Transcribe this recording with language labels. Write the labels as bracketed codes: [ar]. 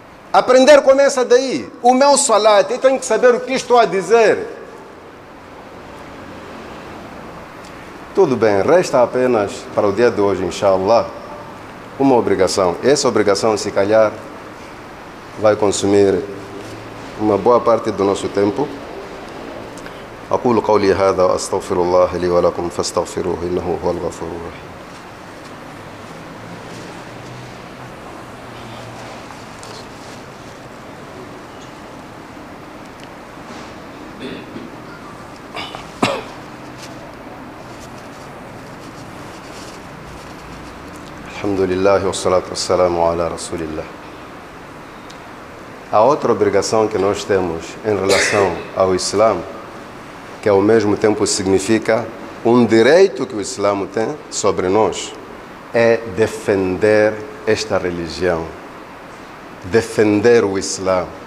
[pt] Aprender começa daí. O meu salat, eu tenho que saber o que estou a dizer. Tudo bem, resta apenas para o dia de hoje, inshallah, uma obrigação. Essa obrigação, se calhar, vai consumir uma boa parte do nosso tempo. [ar] أقول قولي هذا وأستغفر الله لي ولكم فاستغفروه إنه هو الغفور الرحيم. الحمد لله والصلاة والسلام على رسول الله. [pt] A outra obrigação que nós temos em relação ao Islam, que ao mesmo tempo significa um direito que o Islã tem sobre nós, é defender esta religião, defender o Islã.